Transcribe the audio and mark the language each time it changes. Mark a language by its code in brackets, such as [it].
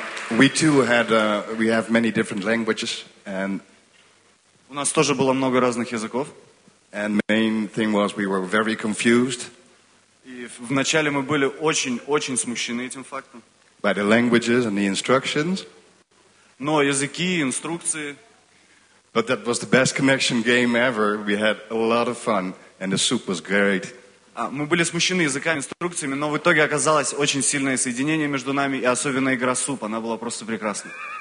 [en] We too had we have many different languages and [ru] у нас тоже было много разных языков. [en] And main thing was we were very confused. [ru] И вначале мы были очень смущены этим фактом. [en] By the languages and the instructions. [ru] Но языки и инструкции. [en] But that was the best connection game ever. We had a lot of fun and the soup was great. [ru] Мы были смущены языками и инструкциями, но в итоге оказалось очень сильное соединение между нами, и особенно игра суп, она была просто прекрасна.